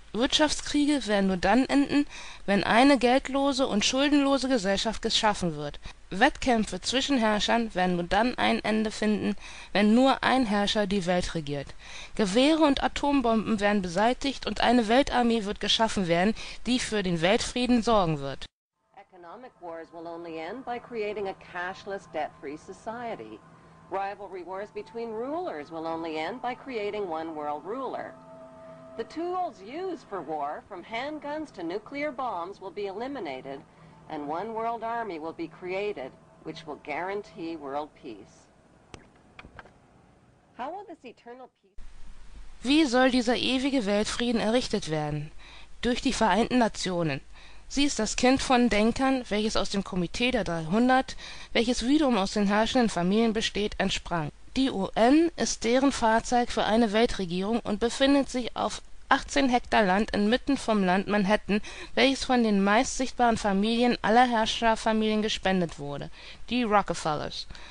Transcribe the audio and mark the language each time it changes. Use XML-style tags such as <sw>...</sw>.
<de>Wirtschaftskriege werden nur dann enden, wenn eine geldlose und schuldenlose Gesellschaft geschaffen wird. Wettkämpfe zwischen Herrschern werden nur dann ein Ende finden, wenn nur ein Herrscher die Welt regiert. Gewehre und Atombomben werden beseitigt und eine Weltarmee wird geschaffen werden, die für den Weltfrieden sorgen wird.</de> <en>Economic wars will only end by creating a cashless, debt-free society. Rivalry wars between rulers will only end by creating one world ruler. The tools used for war, from handguns to nuclear bombs, will be eliminated, and one world army will be created, which will guarantee world peace. How will this eternal peace?</en> <de>Wie soll dieser ewige Weltfrieden errichtet werden? Durch die Vereinten Nationen. Sie ist das Kind von Denkern, welches aus dem Komitee der 300, welches wiederum aus den herrschenden Familien besteht, entsprang. Die UN ist deren Fahrzeug für eine Weltregierung und befindet sich auf 18 Hektar Land inmitten vom Land Manhattan, welches von den meist sichtbaren Familien aller Herrscherfamilien gespendet wurde, die Rockefellers.</de>